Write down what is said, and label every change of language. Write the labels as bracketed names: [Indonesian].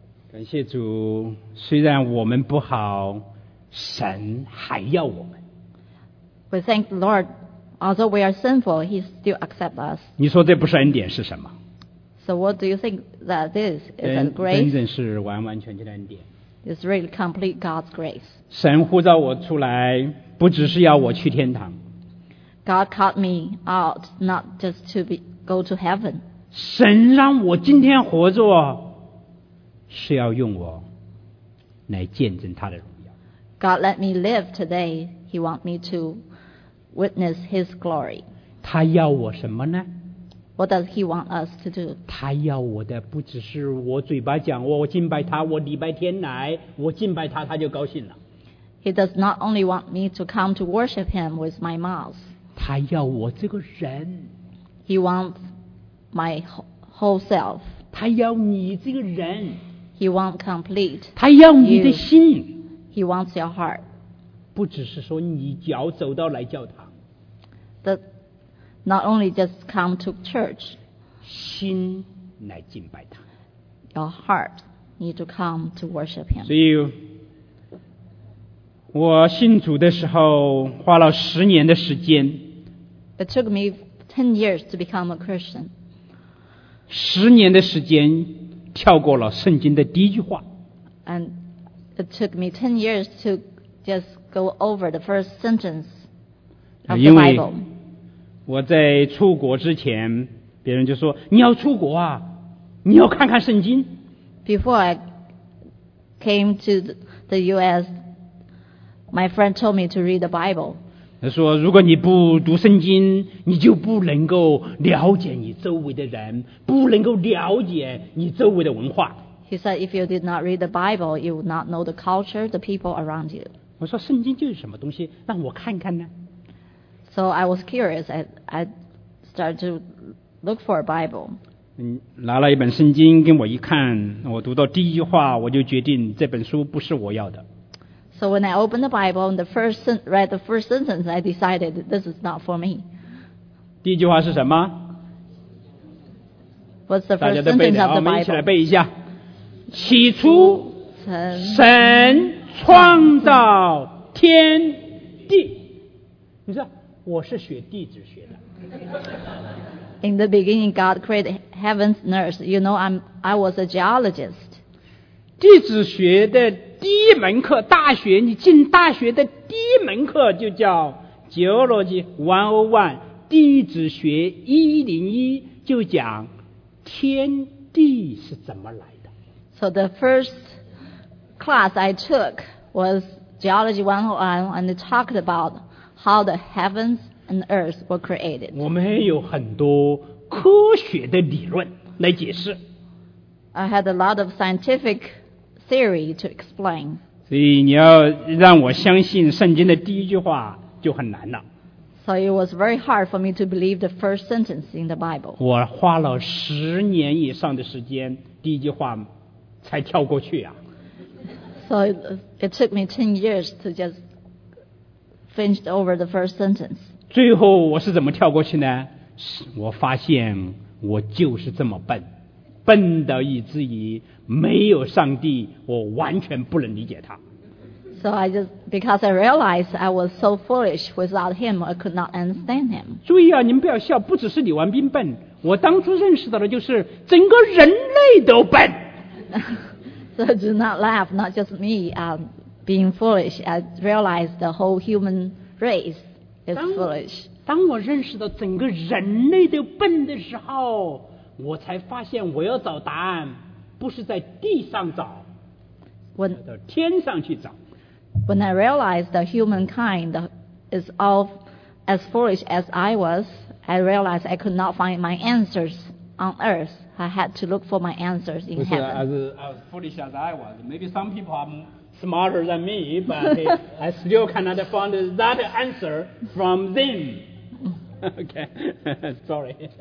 [Chinese] 感谢主，虽然我们不好，神还要我们。 [English] We thank the Lord, although we are sinful, He still accepts us. [Chinese] 你说这不是恩典是什么？ [English] So what do you think that this is a grace? [Chinese] 真正是完完全全的恩典。 [English] It's really complete God's grace. [Chinese] 神呼召我出来，不只是要我去天堂。 [English] God called me out not just to be, go to heaven. [Chinese] 神让我今天活着，是要用我来见证他的荣耀。 [English] God let me live today. He wants me to witness His glory. [Chinese] 他要我什么呢？ [English] What does he want us to do? [Chinese] 他要我的不只是我嘴巴讲我敬拜他，我礼拜天来我敬拜他，他就高兴了。 [English] He does not only want me to come to worship him with my mouth. [Chinese] 他要我这个人。 [English] He wants my whole self. [Chinese] 他要你这个人。 [English] He wants complete. [Chinese] 他要你的心。 [English] He wants your heart. [Chinese] 不只是说你脚走到来教堂。 [English] Not only just come to church, [Chinese] 心来敬拜他。 [English] Your heart need to come to worship him. [Chinese] 所以，我信主的时候花了十年的时间。 [English] It took me 10 years to become a Christian. [Chinese] 十年的时间跳过了圣经的第一句话。 [English] And it took me 10 years to just go over the first sentence of the Bible. [Chinese] 我在出国之前，别人就说你要出国啊，你要看看圣经。 [English] Before I came to the U.S., my friend told me to read the Bible. [Chinese] 他说，如果你不读圣经，你就不能够了解你周围的人，不能够了解你周围的文化。 [English] He said, if you did not read the Bible, you would not know the culture, the people around you. [Chinese] 我说，圣经就是什么东西，让我看看呢。 [English] So I was curious. I started to look for a Bible. [Chinese] 拿了一本圣经跟我一看，我读到第一句话，我就决定这本书不是我要的。 [English] So when I opened the Bible and read the first sentence, I decided this is not for me. [Chinese] 第一句话是什么？ [English] What's the first sentence of the Bible? [Chinese] 我们一起来背一下。起初，神创造天地。你说。我是学地质学的。 [English] In the beginning, God created heaven's earth. You know, I was a geologist. [Chinese] 地质学的第一门课，大学你进大学的第一门课就叫 Geology 101，地质学101就讲天地是怎么来的。 [English] So the first class I took was Geology 101, and it talked about how the heavens and earth were created. [Chinese] 我们有很多科学的理论来解释。 [English] I had a lot of scientific theory to explain. [Chinese] 所以你要让我相信圣经的第一句话就很难了。 [English] So it was very hard for me to believe the first sentence in the Bible. [Chinese] 我花了十年以上的时间，第一句话才跳过去啊。 [English] So it took me 10 years to just finished over the first sentence. [Chinese] 最后我是怎么跳过去呢？我发现我就是这么笨，笨得以至于没有上帝，我完全不能理解他。 [English] So I just, because I realized I was so foolish without him, I could not understand him. [Chinese] 注意啊，你们不要笑，不只是李文斌笨，我当初认识到的就是整个人类都笨。 [English] So do not laugh, not just me. Being foolish, I realized the whole human race is foolish. [Chinese] 当我认识到整个人类都笨的时候，我才发现我要找答案，不是在地上找，要到天上去找。 [English] When I realized the humankind is all as foolish as I was, I realized I could not find my answers on earth. I had to look for my answers in heaven. As foolish as I was, maybe some people are smarter than me, but I still cannot find that answer from them. Okay, sorry.